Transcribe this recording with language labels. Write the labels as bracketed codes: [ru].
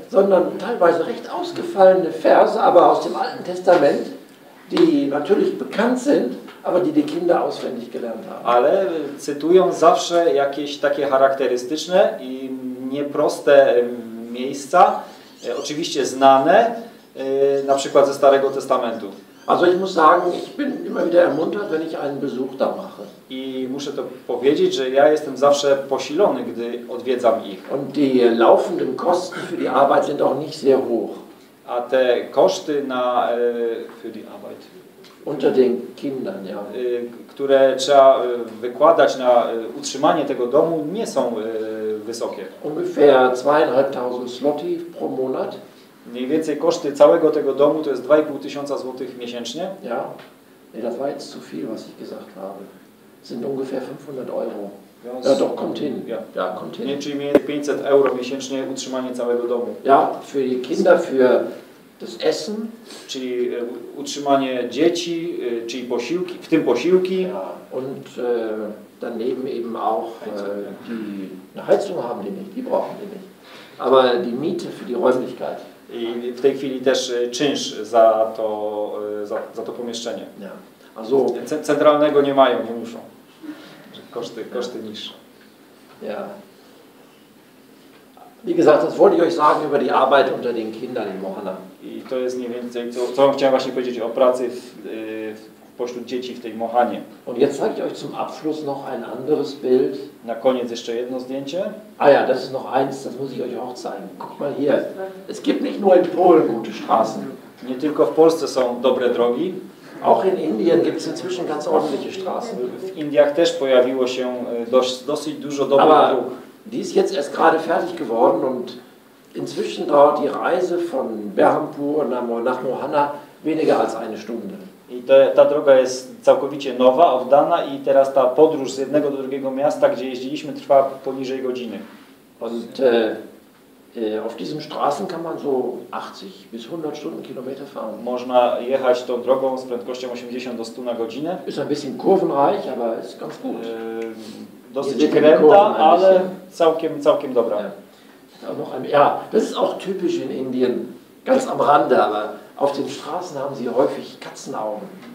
[de] sondern teilweise recht ausgefallene Verse, aber aus dem Alten Testament, die natürlich bekannt sind, aber die Kinder auswendig gelernt haben. [pl] Ale cytują zawsze jakieś takie charakterystyczne i nieproste miejsca, oczywiście znane, na przykład ze Starego Testamentu. [de] Also ich muss sagen, ich bin immer wieder ermuntert, wenn ich einen Besuch da mache. [pl] I muszę to powiedzieć, że ja jestem zawsze posilony, gdy odwiedzam ich. [de] Und die laufenden Kosten für die Arbeit sind auch nicht sehr hoch. [pl] A te koszty na [de] für die Arbeit unter den Kindern, ja. [pl] Które trzeba wykładać na utrzymanie tego domu, nie są wysokie. [de] Ungefähr 2500 zloty pro Monat. [pl] Mniej więcej koszty całego tego domu to jest 2,5 tysiąca złotych miesięcznie. [de] Ja. Nee, das war jetzt zu viel, was ich gesagt habe. Sind ungefähr 500 euro. Ja, doch, kommt hin. Ja, ja, kommt hin. [pl] Mniej więcej 500 euro miesięcznie utrzymanie całego domu. [de] Ja, für die Kinder, für das Essen. [pl] Czyli utrzymanie dzieci, czyli posiłki, w tym posiłki. [de] Ja, und daneben eben auch die Heizung haben die nicht, die brauchen die nicht. Aber die Miete für die Räumlichkeit. [pl] I w tej chwili też czynsz za to, za to pomieszczenie. Centralnego nie mają, nie muszą. Koszty niższe. [de] Ja. Wie gesagt, das wollte ich euch sagen über die Arbeit unter den Kindern in Mohana. [pl] I to jest mniej więcej, co chciałem właśnie powiedzieć o pracy pośród dzieci w tej Mohanie. [de] Und jetzt zeige ich euch zum Abschluss noch ein anderes Bild. [pl] Na koniec jeszcze jedno zdjęcie. [de] Ah ja, das ist noch eins, das muss ich euch auch zeigen. Guck mal hier. Es gibt nicht nur in Polen gute Straßen. [pl] Nie tylko w Polsce są dobre drogi. [de] Auch in Indien gibt es inzwischen ganz ordentliche Straßen. [pl] W Indiach też pojawiło się dosyć dużo dobrych dróg. [de] Die ist jetzt erst gerade fertig geworden und inzwischen dauert die Reise von Berhampur nach Mohana weniger als eine Stunde. [pl] I ta droga jest całkowicie nowa, oddana i teraz ta podróż z jednego do drugiego miasta, gdzie jeździliśmy, trwa poniżej godziny. [de] Und Auf diesen Straßen kann man so 80 bis 100 Stundenkilometer fahren. [pl] Można jechać tą drogą z prędkością 80 do 100 na godzinę. [de] Ist ein bisschen kurvenreich, aber ist ganz gut. [pl] Dosyć kręta, ale całkiem dobra. [de] Ja, das ist auch typisch in Indien. Ganz am Rande, aber auf den Straßen haben sie häufig Katzenaugen.